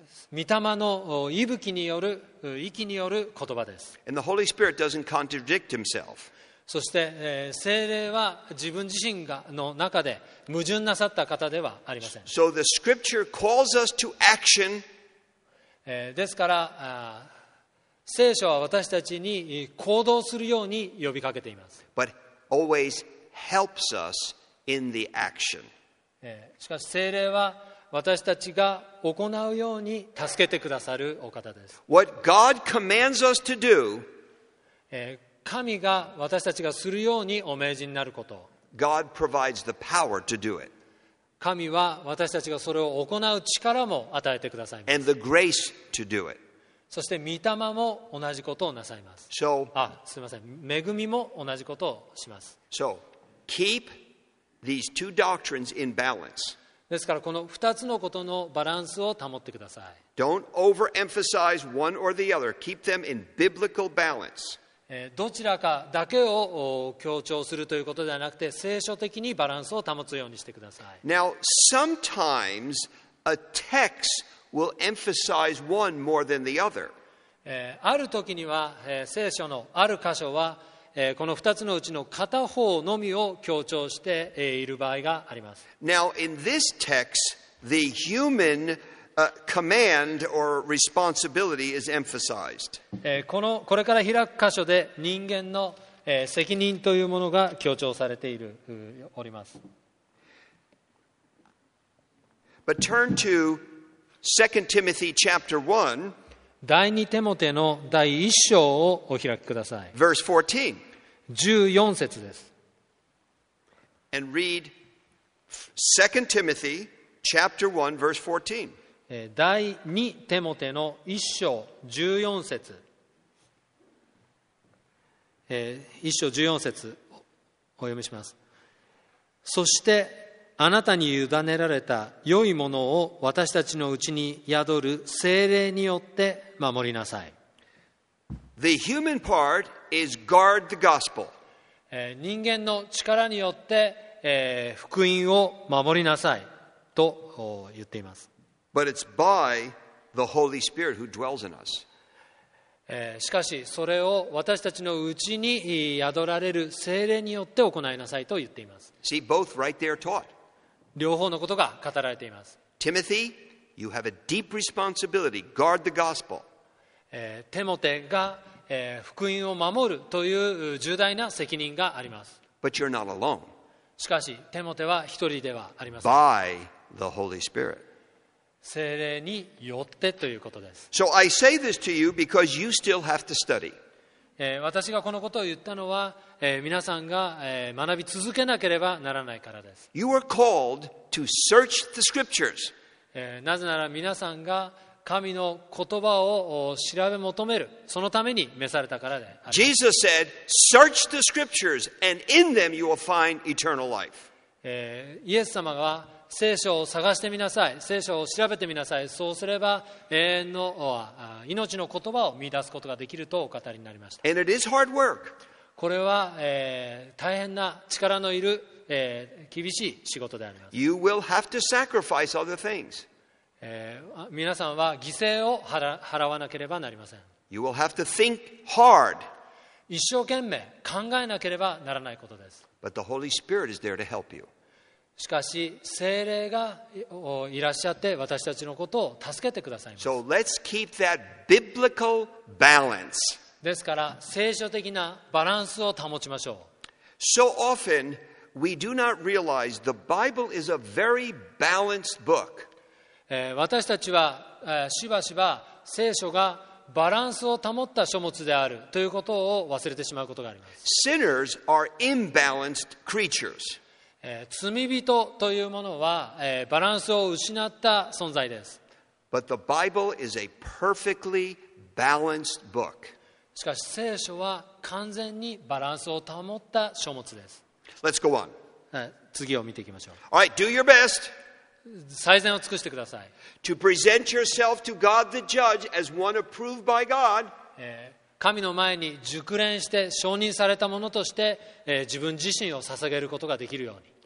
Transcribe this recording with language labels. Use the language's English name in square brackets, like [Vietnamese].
[Japanese] 御霊の息吹による息による言葉です。 [English] And the Holy Spirit doesn't contradict himself. [Japanese] そして、聖霊は自分自身がの中で矛盾なさった方ではありません。 [English] So the Scripture calls us to action. [Japanese] ですから、聖書は私たちに行動するように呼びかけています。 [English] But always helps us in the action. [Japanese] しかし聖霊は私たちが行うように助けてくださるお方です。 [English] What God commands us to do, [Japanese] 神が私たちがするようにお命じになること。 [English] God provides the power to do it. [Japanese] 神は私たちがそれを行う力も与えてくださいます。 [English] And the grace to do it. [Japanese] そして御霊も同じことをなさいます。 [English] So, [Japanese] すみません。恵みも同じことをします。 [English] So, keep these two doctrines in balance. [Japanese] ですからこの2つのことのバランスを保ってください。 [English] Don't overemphasize one or the other. Keep them in biblical balance. [Japanese] どちらかだけを強調するということではなくて、聖書的にバランスを保つようにしてください。 [English] Now, sometimes a text will emphasize one more than the other. [Japanese] ある時には、聖書のある箇所は、この2つのうちの片方のみを強調している場合があります。 [English] Now in this text the human command or responsibility is emphasized. [Japanese] これから開く箇所で人間の責任というものが強調されているおります。 [English] But turn to 2 Timothy chapter 1 [Japanese] 第二テモテの第一章をお開きください。 [English] Verse 14 [Japanese] 14節です。 [English] And read 2 Timothy chapter 1 verse 14. [Japanese] 第二テモテの一章十四節。一章十四節お読みします。そしてあなたに委ねられた良いものを私たちのうちに宿る聖霊によって守りなさい。 [English] The human part is guard the gospel. [Japanese] 人間の力によって福音を守りなさいと言っています。 [English] But it's by the Holy Spirit who dwells in us. [Japanese] しかしそれを私たちのうちに宿られる聖霊によって行いなさいと言っています。 [English] See, both right there taught. [Japanese] 両方のことが語られています。 [English] Timothy, you have a deep responsibility. Guard the gospel. [Japanese] テモテが福音を守るという重大な責任があります。 [English] But you're not alone. [Japanese] しかしテモテは一人ではありません。 [English] By the Holy Spirit. [Japanese] 聖霊によってということです。 [English] So I say this to you because you still have to study. [Japanese] 私がこのことを言ったのは、皆さんが、学び続けなければならないからです。 [English] You are called to search the scriptures. [Japanese] なぜなら皆さんが神の言葉を調べ求める、そのために召されたからであります。 [English] Jesus said, "Search the scriptures, and in them you will find eternal life." [Japanese] イエス様は聖書を探してみなさい、聖書を調べてみなさい、そうすれば永遠の命の言葉を見出すことができるとお語りになりました。 [English] And it is hard work. [Japanese] これは、大変な力のいる、厳しい仕事であります。 [English] You will have to sacrifice other things. [Japanese] 皆さんは犠牲を払わなければなりません。 [English] You will have to think hard. [Japanese] 一生懸命考えなければならないことです。 [English] But the Holy Spirit is there to help you. [Japanese] しかし聖霊がいらっしゃって私たちのことを助けてくださいます。 [English] So let's keep that biblical balance. [Japanese] ですから聖書的なバランスを保ちましょう。 [English] So often we do not realize the Bible is a very balanced book. [Japanese] 私たちはしばしば聖書がバランスを保った書物であるということを忘れてしまうことがあります。 [English] Sinners are imbalanced creatures. [Japanese] 罪人というものはバランスを失った存在です。 [English] But the Bible is a perfectly balanced book. [Japanese] しかし聖書は完全にバランスを保った書物です。 [English] Let's go on. [Japanese] 次を見ていきましょう。 [English] All right, do your best. [Japanese] 最善を尽くしてください。 [English] To present yourself to God the judge as one approved by God. [Japanese] 神の前に熟練して承認されたものとして、自分自身を捧げることができるように。